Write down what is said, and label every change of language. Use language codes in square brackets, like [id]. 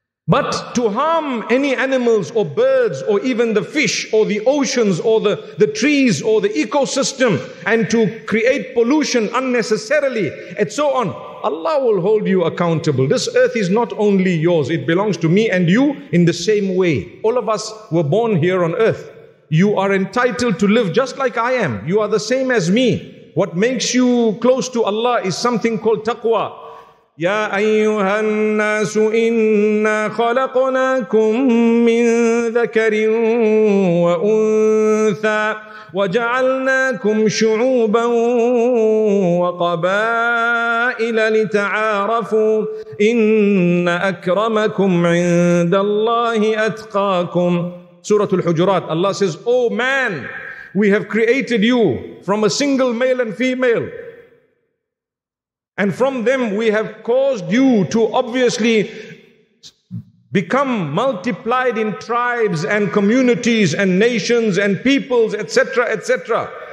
[en] But to harm any animals or birds or even the fish or the oceans or the trees or the ecosystem and to create pollution unnecessarily and so on, Allah will hold you accountable. This earth is not only yours, it belongs to me and you in the same way. All of us were born here on earth. You are entitled to live just like I am. You are the same as me. What makes you close to Allah is something called taqwa. [ar] يا أيها الناس إنا خلقناكم من ذكر وأنثى وجعلناكم شعوبا وقبائل لتعارفوا إن أكرمكم عند الله أتقاكم. سورة الحجرات. [en] Allah says, O man, we have created you from a single male and female. And from them we have caused you to obviously become multiplied in tribes and communities and nations and peoples, etc., etc.